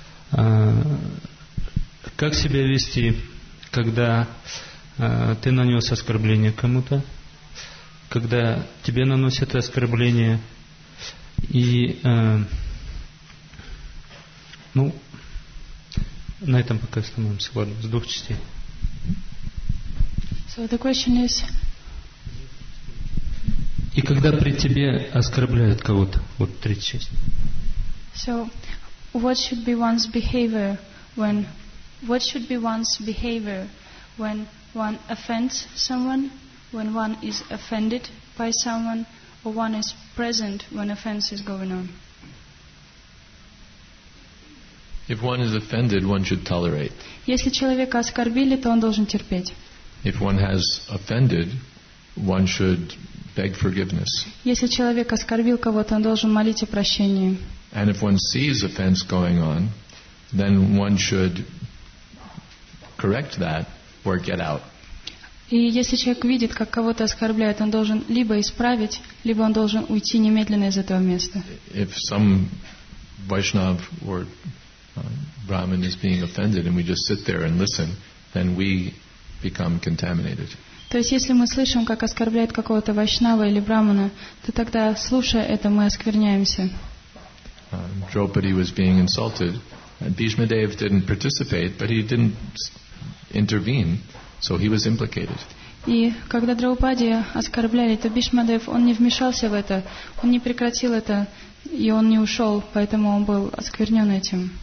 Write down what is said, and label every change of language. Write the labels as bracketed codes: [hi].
[ru] Как себя вести, когда ты нанес оскорбление кому-то, когда тебе наносят оскорбление, и ну, на этом пока остановимся. Ладно, с двух частей. [en] So the question is... [ru] И когда при тебе оскорбляют кого-то, вот третья часть. [en] So, what should be one's behavior when... What should be one's behavior when one offends someone, when one is offended by someone, or one is present when offense is going on? If one is offended, one should tolerate. [ru] Если человека оскорбили, то он должен терпеть. [en] If one has offended, one should beg forgiveness. [ru] Если человек оскорбил кого-то, он должен молить о прощении. [en] And if one sees offense going on, then one should correct that or get out. [ru] И если человек видит, как кого-то оскорбляют, он должен либо исправить, либо он должен уйти немедленно из этого места. [en] If some Vaishnav or Brahmin is being offended and we just sit there and listen, then we become contaminated. [ru] То есть если мы слышим, как оскорбляет какого-то Вайшнава или Брахмана, то тогда, слушая это, мы оскверняемся. [en] Draupadi was being insulted. Bhishma Dev didn't participate, but he didn't intervene, so he was implicated. [ru] И когда Драупади оскорбляли, то Бишмадев, он не вмешался в это, он не прекратил это, и он не ушел, поэтому он был осквернен этим.